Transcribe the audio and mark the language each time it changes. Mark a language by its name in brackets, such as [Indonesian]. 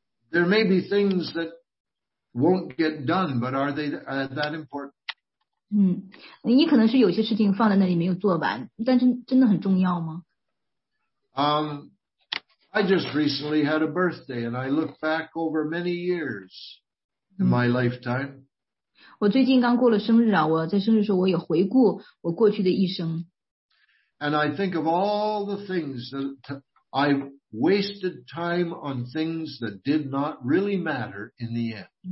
[English] There may be things that won't get done, but are they that important? [Chinese] 你可能是有些事情放在那里没有做完，但是真的很重要吗？ [English] I just recently had a birthday, and I look back over many years in my lifetime. [Chinese] 我最近刚过了生日啊，我在生日的时候我也回顾我过去的一生。 [English] And I think of all the things that I wasted time on things that did not really matter in the end.